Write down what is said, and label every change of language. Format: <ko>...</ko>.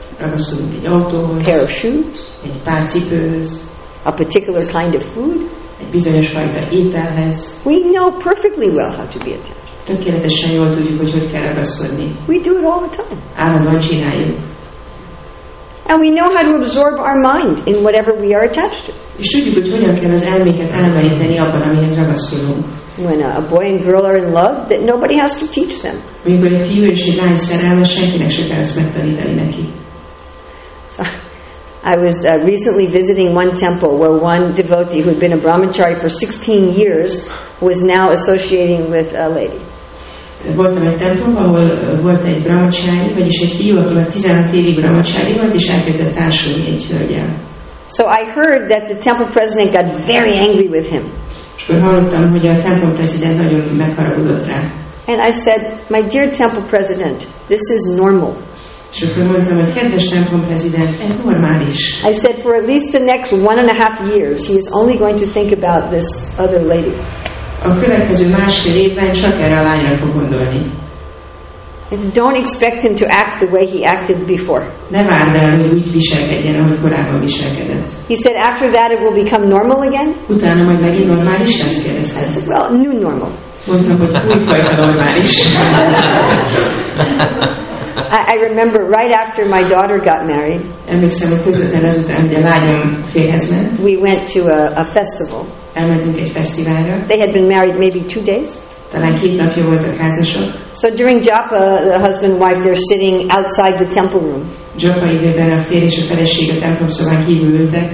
<hu>Ragaszkodunk egy autóhoz.</hu> <en>A pair of shoes.</en> <hu>Egy pár cipőhöz.</hu> <en>A particular kind of food.</en> <hu>Egy bizonyos fajta ételhez.</hu> <en>We know perfectly well how to be attached.</en> <hu>Tökéletesen jól tudjuk, hogy kell ragaszkodni.</hu> <en>We do it all the time.</en> <hu>Állandóan csináljuk.</hu> <en>And we know how to absorb our mind in whatever we are attached to.</en> <hu>És tudjuk, hogy hogyan kell az elménket elmeríteni abban, amihez ragaszkodunk.</hu> <en>When a boy and girl are in love, that nobody has to teach them.</en> <hu>Amikor egy fiú és egy lány szerelmes, senkinek se kell ezt megtanítani neki.</hu> <en>So, I was recently visiting one temple where one devotee who had been a brahmachari for 16 years was now associating with a lady.</en> <hu>Voltam egy templomban, ahol volt egy brahmacsári, vagyis egy fiú, aki már 16 évig brahmacsári volt, és elkezdett társulni egy hölgyel.</hu> <en>So I heard that the temple president got very angry with him.</en> <hu>És akkor hallottam, hogy a templom president nagyon megharagudott rá.</hu> <en>And I said, "My dear temple president, this is normal."</en> <hu>És akkor mondtam, hogy kedves templom prezident, ez normális.</hu> <en>I said, for at least the next 1.5 years, he is only going to think about this other lady.</en> <hu>A következő másfél évben csak erre a lányra fog gondolni.</hu> <en>Don't expect him to act the way he acted before.</en> <hu>Ne várd el, hogy úgy viselkedjen, ahogy korábban viselkedett.</hu> <en>He said after that it will become normal again.</en> <hu>Utána majd megint normális lesz, kérdezhet.</hu> <en>I said, well, new normal.</en> <hu>Mondtam, hogy újfajta normális.</hu> <en>I remember right after my daughter got married.</en> <hu>Emlékszem, hogy közvetlen azután, hogy a lányom férhez ment.</hu> <en>We went to a festival.</en> <hu>Elmentünk egy fesztiválra.</hu> <en>They had been married maybe 2 days.</en> <hu>Talán 2 napja voltak házasok.</hu> <en>So during japa, the husband and wife, they're sitting outside the temple room.</en> <hu>Japa időben a férj és a feleség a templom szobán kívül ültek.</hu>